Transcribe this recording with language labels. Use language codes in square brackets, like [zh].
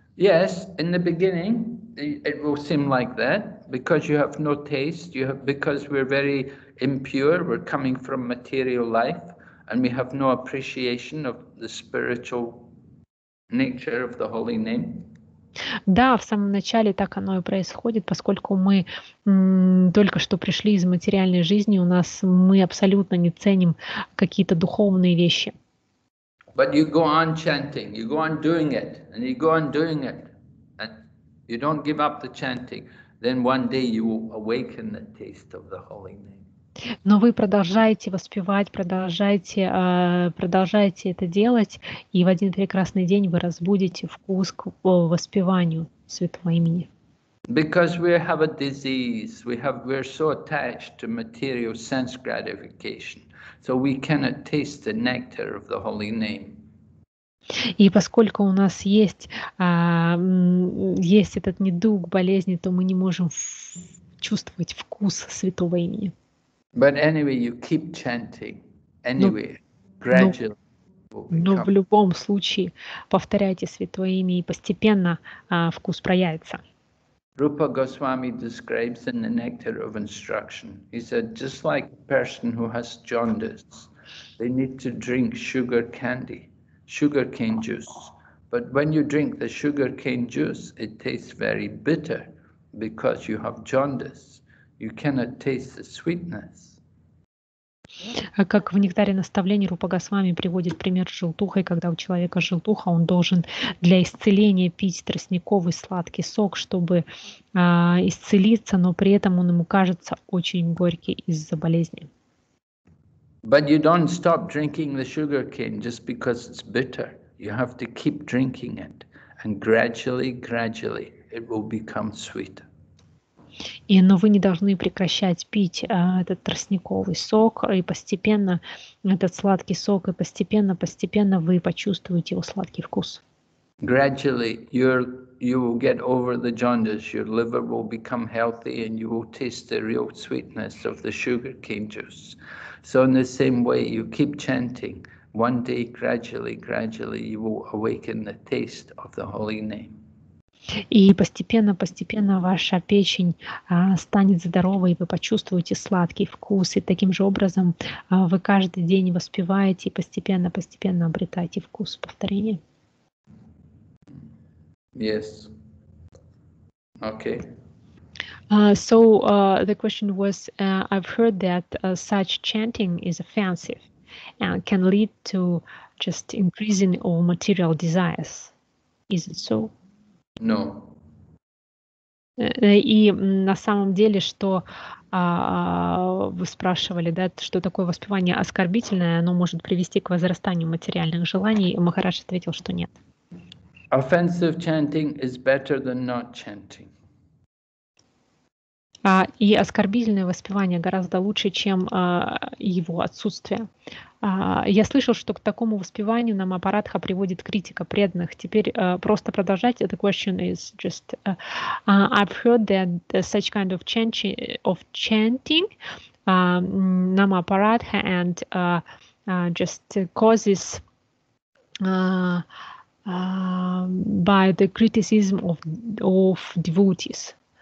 [en] Yes, in the beginning it will seem like that, because you have no taste, because we're very impure, we're coming from material life, and we have no appreciation of the spiritual nature of the holy name. [ru] Да, в самом начале так оно и происходит, поскольку мы только что пришли из материальной жизни, мы абсолютно не ценим какие-то духовные вещи. [en] But you go on chanting, you go on doing it, and you go on doing it, and you don't give up the chanting, then one day you will awaken the taste of the holy name. [ru] Но вы продолжаете воспевать, продолжаете это делать, и в один прекрасный день вы разбудите вкус к воспеванию святого имени. [en] Because we have a disease, we're so attached to material sense gratification. So we cannot taste the nectar of the holy name. [ru] И поскольку у нас есть этот недуг, болезни, то мы не можем чувствовать вкус святого имени. [en] But anyway, you keep chanting. Anyway, gradually. [ru] Но в любом случае повторяйте святое имя, и постепенно вкус проявится. [en] Rupa Goswami describes in the Nectar of Instruction. He said, just like a person who has jaundice, they need to drink sugar candy, sugar cane juice. But when you drink the sugar cane juice, it tastes very bitter because you have jaundice. You cannot taste the sweetness. [ru] Как в Нектаре наставлений Рупа Госвами приводит пример с желтухой, когда у человека желтуха, он должен для исцеления пить тростниковый сладкий сок, чтобы исцелиться, но при этом он ему кажется очень горький из-за болезни. [en] But you don't stop drinking the sugar cane just because it's bitter. You have to keep drinking it, and gradually, gradually, it will become sweet. [ru] Но вы не должны прекращать пить этот тростниковый сок, и постепенно этот сладкий сок, и постепенно вы почувствуете его сладкий вкус. [en] Gradually you will get over the jaundice, your liver will become healthy, and you will taste the real sweetness of the sugar cane juice. So in the same way, you keep chanting, one day gradually you will awaken the taste of the holy name. [ru] И постепенно ваша печень станет здоровой, и вы почувствуете сладкий вкус. И таким же образом вы каждый день воспеваете и постепенно обретаете вкус повторения. [en] Yes. Okay. The question was, I've heard that such chanting is offensive and can lead to just increasing all material desires. Is it so? No. [ru] И на самом деле, что вы спрашивали, да, что такое воспевание оскорбительное, оно может привести к возрастанию материальных желаний, и Махарадж ответил, что нет. [en] Offensive chanting is better than not chanting. [ru] И оскорбительное воспевание гораздо лучше, чем его отсутствие. Я слышал, что к такому воспеванию нам аппаратха приводит критика преданных. Теперь просто продолжать. [en] The question is just, I've heard that such kind of chanting нам аппаратха and just causes by the criticism of devotees.